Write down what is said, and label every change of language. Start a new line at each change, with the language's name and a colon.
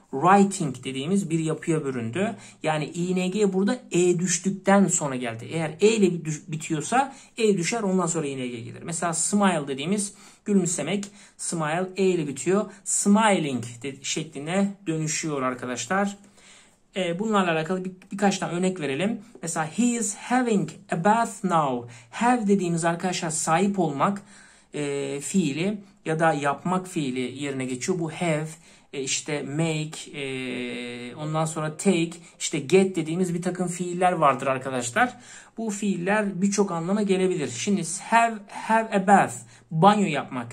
Turkish: Writing dediğimiz bir yapıya büründü. Yani ing burada e düştükten sonra geldi. Eğer e ile bitiyorsa e düşer, ondan sonra ing gelir. Mesela smile dediğimiz gülümsemek, smile e ile bitiyor. Smiling şekline dönüşüyor arkadaşlar. Bununla alakalı birkaç tane örnek verelim. Mesela
English: he is having a bath now.
Turkish: Have dediğimiz arkadaşlar sahip olmak fiili ya da yapmak fiili yerine geçiyor. Bu have, işte make, ondan sonra take, işte get dediğimiz bir takım fiiller vardır arkadaşlar. Bu fiiller birçok anlama gelebilir. Şimdi have a bath, banyo yapmak.